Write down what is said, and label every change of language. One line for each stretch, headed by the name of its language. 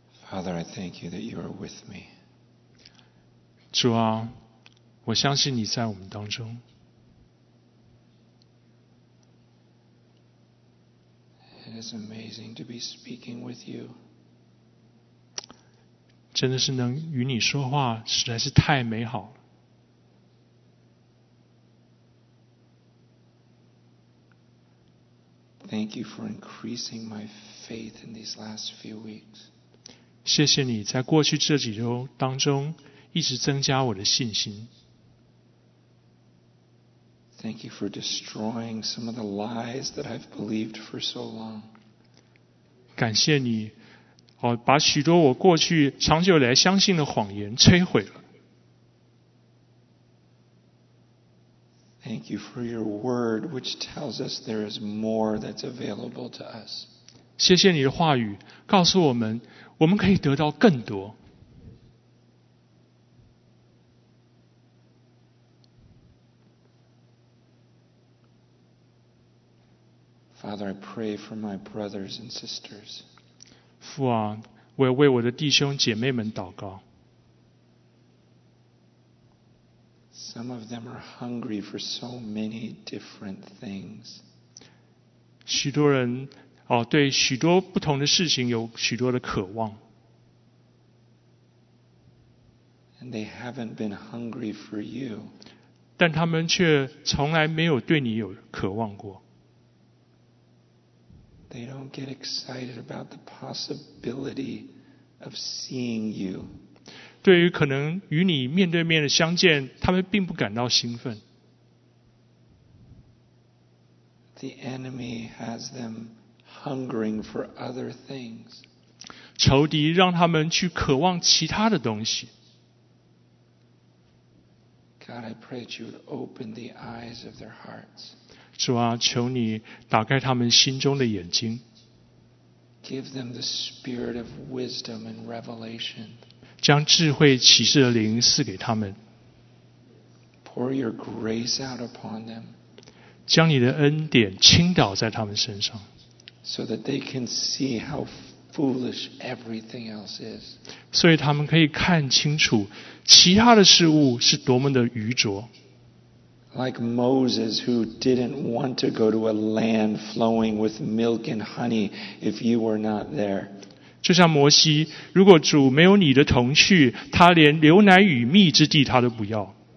English: Father, I thank you that you are with me.
Chinese: 主啊，我相信你在我们当中。
English: It is amazing to be speaking with you.
Chinese: 真的是能与你说话，实在是太美好了。
English: Thank you for increasing my faith in these last few weeks.
Chinese: 谢谢你在过去这几周当中一直增加我的信心。
English: Thank you for destroying some of the lies that I've believed for so long.
Chinese: 感谢你，哦，把许多我过去长久来相信的谎言摧毁了。
English: Thank you for your word, which tells us there is more that's available to us.
Chinese: 谢谢你的话语，告诉我们，我们可以得到更多。
English: Father, I pray for my brothers and sisters.
Chinese: 父啊，我要为我的弟兄姐妹们祷告。
English: Some of them are hungry for so many different things.
Chinese: 许多人，哦，对许多不同的事情有许多的渴望。
English: And they haven't been hungry for you.
Chinese: 但他们却从来没有对你有渴望过。
English: They don't get excited about the possibility of seeing you.
Chinese: 对于可能与你面对面的相见，他们并不感到兴奋。
English: The enemy has them hungering for other things.
Chinese: 仇敌让他们去渴望其他的东西。
English: God, I pray that you would open the eyes of their hearts.
Chinese: 主啊，求你打开他们心中的眼睛。
English: Give them the spirit of wisdom and revelation.
Chinese: 将智慧启示的灵赐给他们。
English: Pour your grace out upon them.
Chinese: 将你的恩典倾倒在他们身上。
English: So that they can see how foolish everything else is.
Chinese: 所以他们可以看清楚其他的事物是多么的愚拙。
English: Like Moses, who didn't want to go to a land flowing with milk and honey if you were not there.
Chinese: 就像摩西，如果主没有你的同去，他连牛奶与蜜之地他都不要。